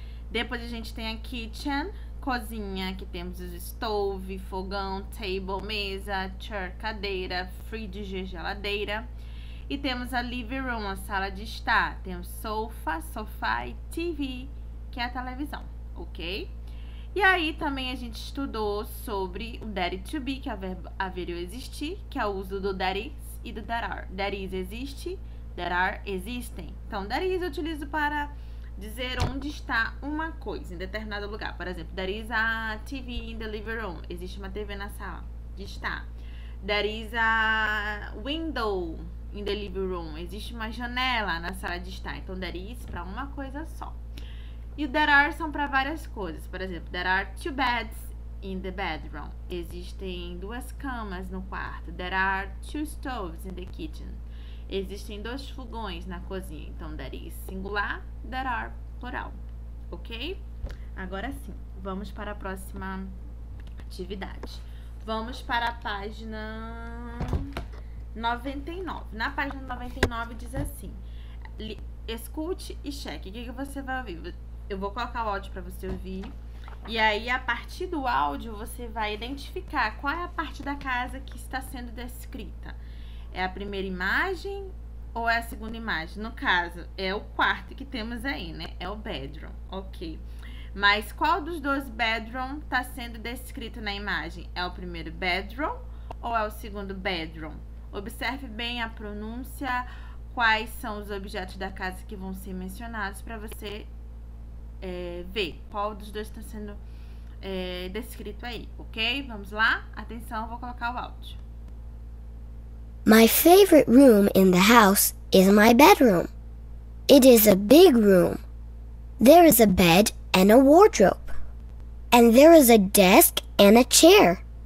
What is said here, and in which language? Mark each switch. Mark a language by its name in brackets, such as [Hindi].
[Portuguese] Depois a gente tem a kitchen, cozinha, que temos o stove, fogão, table, mesa, chair, cadeira, fridge, geladeira. E temos a living room, a sala de estar. Temos sofá e TV, que é a televisão, ok? E aí também a gente estudou sobre o that to be, que é o verbo haver ou existir, que é o uso do that is e do that are. [English] That is existe, that are existem. [Portuguese] Então, that is eu utilizo para dizer onde está uma coisa em determinado lugar. Por exemplo, [English] there is a TV in the living room. [Portuguese] Existe uma TV na sala de estar. [English] There is a window in the living room. [Portuguese] Existe uma janela na sala de estar. Então, there is para uma coisa só. E o there are são para várias coisas. Por exemplo, [English] there are two beds in the bedroom. [Portuguese] Existem duas camas no quarto. [English] There are two stoves in the kitchen. [Portuguese] Existem dois fogões na cozinha. Então, there is singular, there are plural. Ok? Agora sim, vamos para a próxima atividade. Vamos para a página 99. Na página 99 diz assim: escute e cheque. O que que você vai ouvir? Eu vou colocar o áudio para você ouvir. E aí, a partir do áudio, você vai identificar qual é a parte da casa que está sendo descrita. É a primeira imagem ou é a segunda imagem? No caso, é o quarto que temos aí, né? É o bedroom. Ok. Mas qual dos dois bedroom está sendo descrito na imagem? É o primeiro bedroom ou é o segundo bedroom? Observe bem a pronúncia, quais são os objetos da casa que vão ser mencionados para você. Ver qual dos dois está sendo descrito aí, ok? Vamos lá? Atenção, vou colocar o áudio. [English] My favorite room in the house is my bedroom. It is a big room. There is a bed and a wardrobe. And there is a desk and a chair.